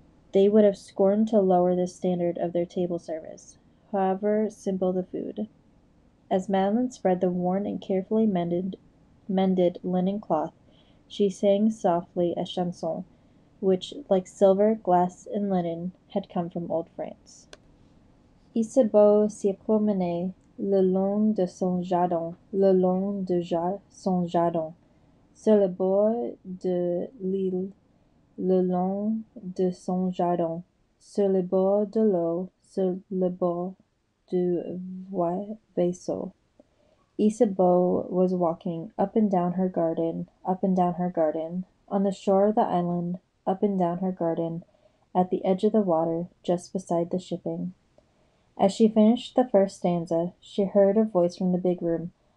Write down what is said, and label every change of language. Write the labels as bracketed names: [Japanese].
[English] They would have scorned to lower the standard of their table service, however simple the food. As Madeleine spread the worn and carefully mended linen cloth, she sang softly a chanson, which, like silver, glass, and linen, had come from old France. [French] Ici beau s'y promener le long de son jardin, le long de son jardin, sur le bord de l'île, le long de son jardin, sur le bord de l'eau, sur le bord du vaisseau. [English] Isabeau was walking up and down her garden, up and down her garden, on the shore of the island, up and down her garden, at the edge of the water, just beside the shipping. As she finished the first stanza, she heard a voice from the big room.